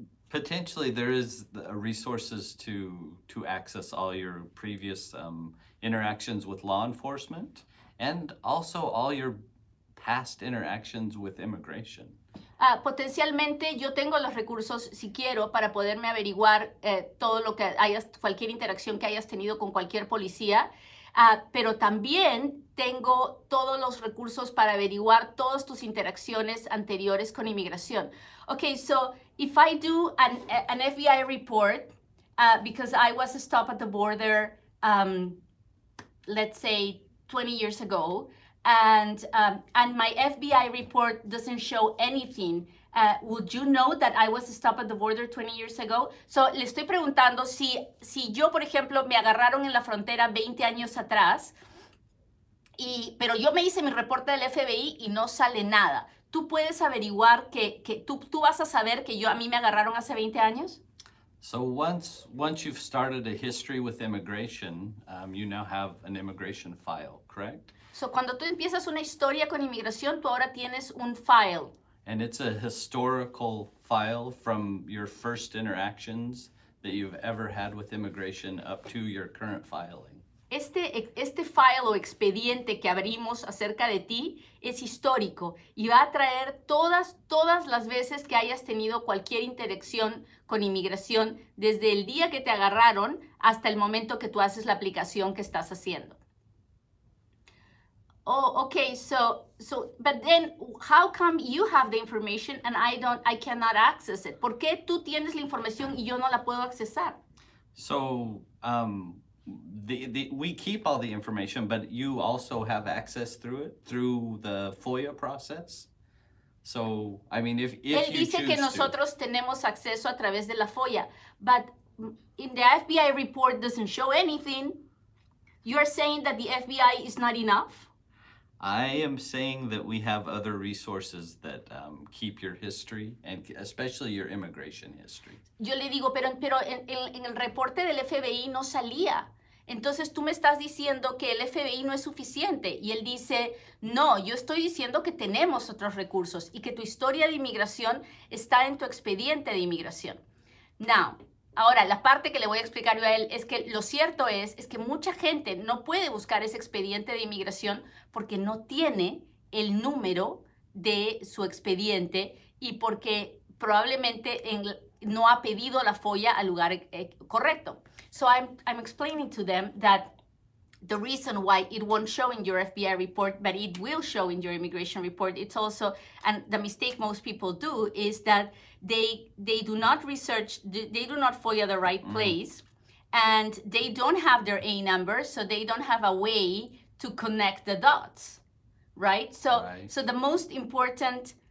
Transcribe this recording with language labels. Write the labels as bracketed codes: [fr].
[en] Potentially there is the resources to access all your previous interactions with law enforcement and also all your past interactions with immigration. [es] Potencialmente yo tengo los recursos si quiero para poderme averiguar todo lo que hayas, cualquier interacción que hayas tenido con cualquier policía, pero también tengo todos los recursos para averiguar todas tus interacciones anteriores con inmigración. [en] Okay, so if I do an FBI report because I was stopped at the border let's say 20 years ago, and my FBI report doesn't show anything, would you know that I was stopped at the border 20 years ago? [es] So le estoy preguntando si yo, por ejemplo, me agarraron en la frontera 20 años atrás, pero yo me hice mi reporte del FBI y no sale nada. ¿Tú puedes averiguar que tú vas a saber que yo a mí me agarraron hace 20 años? [en] So once you've started a history with immigration, you now have an immigration file, correct? [es] So cuando tú empiezas una historia con inmigración, tú ahora tienes un file. [en] And it's a historical file from your first interactions that you've ever had with immigration up to your current filing. [es] Este file o expediente que abrimos acerca de ti es histórico y va a traer todas las veces que hayas tenido cualquier interacción con inmigración desde el día que te agarraron hasta el momento que tú haces la aplicación que estás haciendo. [en] Oh, okay, so but then how come you have the information and I cannot access it? [es] ¿Por qué tú tienes la información y yo no la puedo accesar? [en] So the we keep all the information, but you also have access through it, through the FOIA process. So, I mean, if [es] él dice que nosotros tenemos acceso a través de la FOIA, [en] but in the FBI report doesn't show anything. You're saying that the FBI is not enough? I am saying that we have other resources that keep your history and especially your immigration history. [es] Yo le digo, pero en el reporte del FBI no salía. Entonces tú me estás diciendo que el FBI no es suficiente. Y él dice, no, yo estoy diciendo que tenemos otros recursos y que tu historia de inmigración está en tu expediente de inmigración. Now, ahora, la parte que le voy a explicar yo a él es que lo cierto es que mucha gente no puede buscar ese expediente de inmigración porque no tiene el número de su expediente y porque probablemente no ha pedido la FOIA al lugar correcto. [en] So I'm explaining to them that the reason why it won't show in your FBI report, but it will show in your immigration report, it's also, and the mistake most people do is that they do not research, they do not FOIA the right place, and they don't have their A number, so they don't have a way to connect the dots, right? So the most important